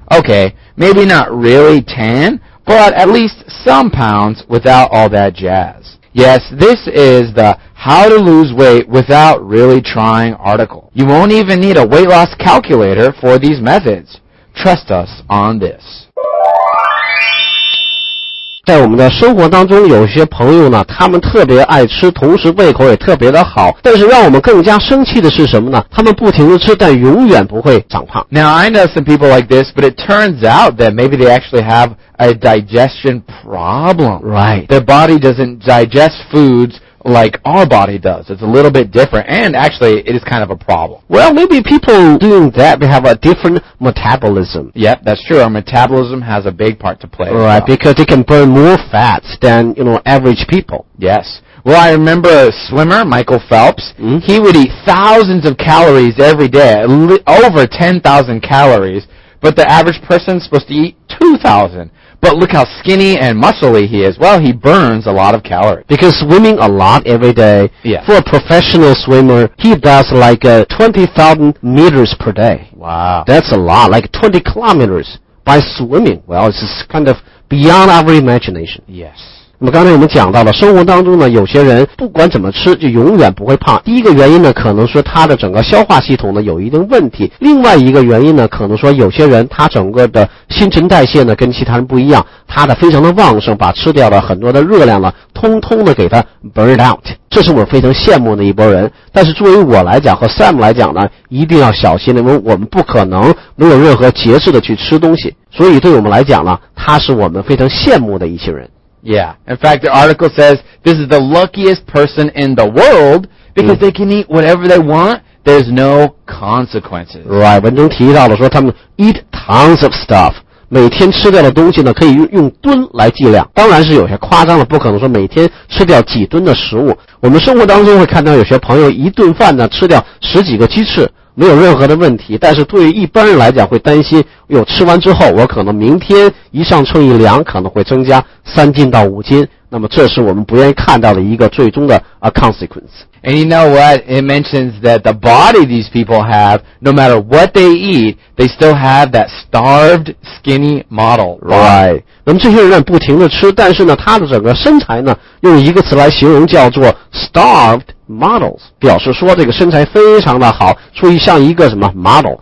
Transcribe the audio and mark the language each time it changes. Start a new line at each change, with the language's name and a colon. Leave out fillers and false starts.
English: Okay, maybe not really 10, but at least some pounds without all that jazz. Yes, this is the How to Lose Weight Without Really Trying article. You won't even need a weight loss calculator for these methods. Trust us on this.
Chinese: 在我们的生活当中，有些朋友呢，他们特别爱吃，同时胃口也特别的好。但是让我们更加生气的是什么呢？他们不停的吃，但永远不会长胖。
English: Now I know some people like this, but it turns out that maybe they actually have a digestion problem. Right. Their body doesn't digest foods like our body does. It's a little bit different, and actually, it is kind of a problem. Well, maybe people doing that have a different metabolism. Yep, that's true. Our metabolism has a big part to play. Right, because it can burn more fats than, you know, average people. Yes. Well, I remember a swimmer, Michael Phelps. He would eat thousands of calories every day, over 10,000 calories, but the average person's supposed to eat 2,000. But look how skinny and muscly he is. Well, he burns a lot of calories. Because swimming a lot every day, yeah. For a professional swimmer, he does like 20,000 meters per day. Wow. That's a lot, like 20 kilometers by swimming. Well, it's just kind of beyond our imagination. Yes.
Chinese: 那么刚才我们讲到了生活当中呢，有些人不管怎么吃就永远不会胖。第一个原因呢，可能说他的整个消化系统呢有一定问题。另外一个原因呢，可能说有些人他整个的新陈代谢呢跟其他人不一样，他的非常的旺盛，把吃掉了很多的热量呢通通的给他
English: burn out。
Chinese: 这是我非常羡慕的一波人。但是作为我来讲和 Sam 来讲呢，一定要小心，因为我们不可能没有任何节制的去吃东西。所以对我们来讲呢，他是我们非常羡慕的一群人。
English: Yeah, in fact, the article says this is the luckiest person in the world because they can eat whatever they want. There's no consequences. Right,
Chinese: 文中提到了说他们
English: eat tons of stuff.
Chinese: 每天吃掉的东西呢可以用吨来计量。当然是有些夸张的，不可能说每天吃掉几吨的食物。我们生活当中会看到有些朋友一顿饭呢吃掉十几个鸡翅。没有任何的问题，但是对于一般人来讲会担心，哟，吃完之后我可能明天一上秤一量可能会增加三斤到五斤，那么这是我们不愿意看到的一个最终的
English: a consequence. And you know what? It mentions that the body these people have, no matter what they eat, they still have that starved skinny model. Right.
Chinese: 那么这些人不停的吃，但是呢他的整个身材呢用一个词来形容叫做
English: starved models,
Chinese: 表示说这个身材非常的好，所以像一个什么 model.